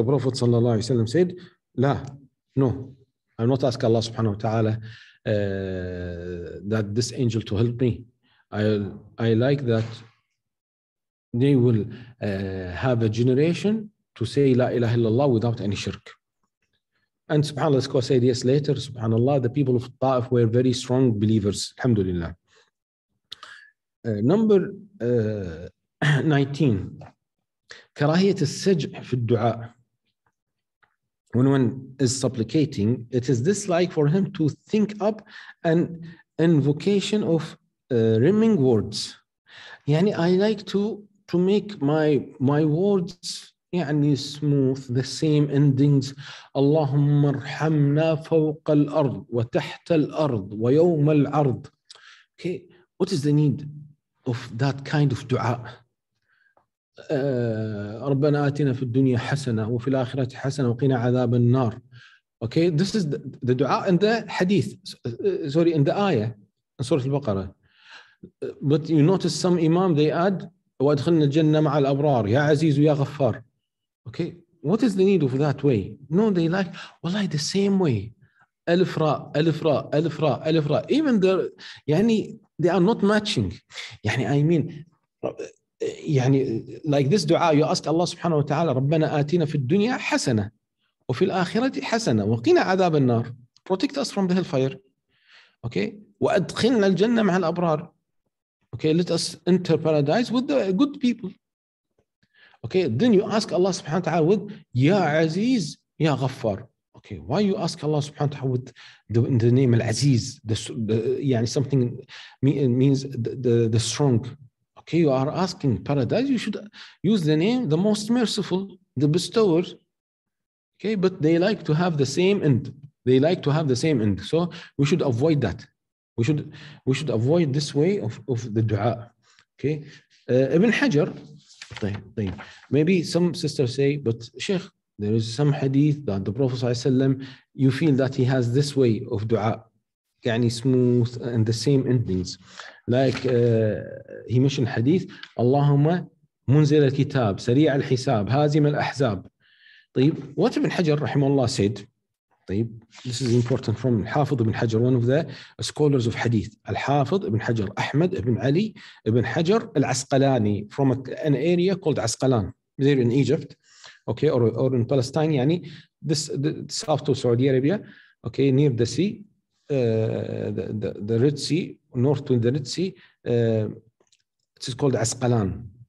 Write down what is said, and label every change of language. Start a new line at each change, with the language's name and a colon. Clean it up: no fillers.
English: The Prophet sallallahu alayhi wa sallam said, "La, no, I'm not asking Allah subhanahu wa ta'ala that this angel to help me. I like that they will have a generation to say La ilaha illallah without any shirk." And subhanAllah, as I said, yes, later, subhanAllah, the people of Ta'if were very strong believers, alhamdulillah. Number 19,
Arabic: كراهية السجع في الدعاء.
English: When one is supplicating, it is dislike for him to think up an invocation of rhyming words. I like to to make my words يعني smooth, the same endings.
Arabic: اللهم ارحمنا فوق الأرض وتحت الأرض ويوم العرض.
English: Okay, what is the need of that kind of
Arabic: دعاء؟ ربنا آتنا في الدنيا حسنة وفي الآخرة حسنة وقنا عذاب النار.
English: Okay, this is the دعاء in the hadith. Sorry, in the ayah, in Surah Al-Baqarah. But you notice some imam, they add,
Arabic: وَأَدْخِلْنَا الْجَنَّةَ مَعَ الْأَبْرَارِ يَا عَزِيزُ يَا غَفَّارِ.
English: Okay, what is the need of that way? No, they like, wallahi, the same way.
Arabic: أَلِفْ رَا, أَلِفْ رَا, أَلِفْ رَا, أَلِفْ رَا.
English: Even the, يعني, they are not matching. يعني, I mean, يعني, like this dua, you ask Allah subhanahu wa ta'ala,
Arabic: رَبَّنَا آتِينَا فِي الدُّنْيَا حَسَنَةً وفي الآخرة حسنة وقنا عذاب النار.
English: Protect us from the hellfire. Okay.
Arabic: وأدخلنا الجنة مع الأبرار.
English: Okay. Let us enter paradise with the good people. Okay. Then you ask Allah سبحانه وتعالى with يا عزيز يا غفار. Okay. Why you ask Allah سبحانه وتعالى with the name العزيز? The يعني something means the strong. Okay. You are asking paradise. You should use the name the most merciful, the bestower. Okay, but they like to have the same end. They like to have the same end. So we should avoid that. We should avoid this way of the dua. Okay, Ibn Hajar. Maybe some sisters say, but Sheikh, there is some hadith that the Prophet ﷺ, you feel that he has this way of dua, يعني smooth and the same endings. Like he mentioned hadith,
Arabic: اللهم منزل الكتاب سريع الحساب هازم الأحزاب.
English: What Ibn Hajar rahimahullah said, this is important from Al-Hafidh Ibn Hajar, one of the scholars of Hadith. Al-Hafidh Ibn Hajar, Ahmed Ibn Ali Ibn Hajar Al-Asqalani, from an area called Asqalan, there in Egypt, okay, or in Palestine, يعني, this south of Saudi Arabia, okay, near the sea, the Red Sea, north to the Red Sea, it's called Asqalan.